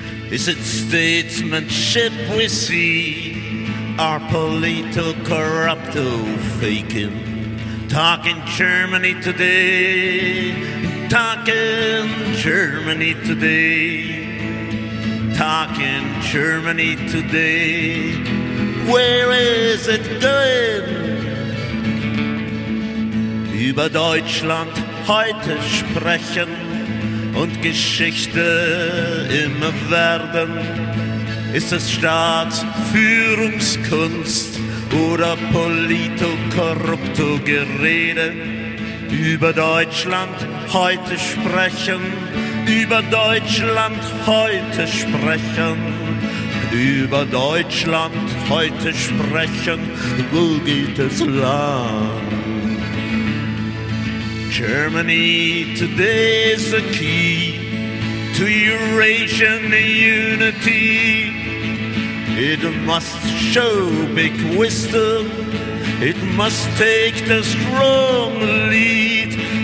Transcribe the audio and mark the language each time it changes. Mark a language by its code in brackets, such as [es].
[en] Is it statesmanship we see, or political corrupto faking? Talking Germany today, talking Germany today, talking Germany today. Where is it going? [de] Über Deutschland heute sprechen und Geschichte immer werden. Ist es Staatsführungskunst oder Politokorrupto-Gerede? Über Deutschland heute sprechen, über Deutschland heute sprechen, über Deutschland heute sprechen. Wo geht es lang? [en] Germany today is the key to Eurasian unity. It must show big wisdom. It must take the strong lead.